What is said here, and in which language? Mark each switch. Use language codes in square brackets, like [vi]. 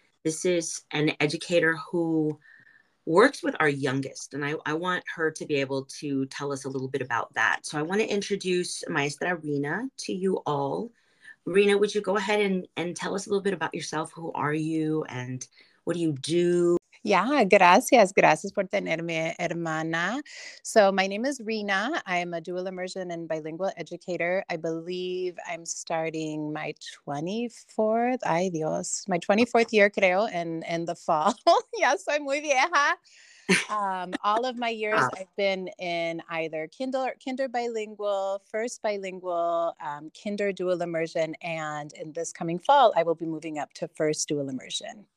[en] This is an educator who works with our youngest, and I want her to be able to tell us a little bit about that. So I want to introduce Maestra Reena to you all. Reena, would you go ahead and tell us a little bit about yourself? Who are you and what do you do? [es] Yeah, gracias. Gracias por tenerme, hermana. [en] So my name is Reena. I am a dual immersion and bilingual educator. I believe I'm starting my 24th, [es] ay Dios, [en] my 24th year, [es] creo, [en] in the fall. Yeah, [es] soy muy vieja. [en] All of my years, I've been in either kinder bilingual, first bilingual, kinder dual immersion, and in this coming fall, I will be moving up to first dual immersion.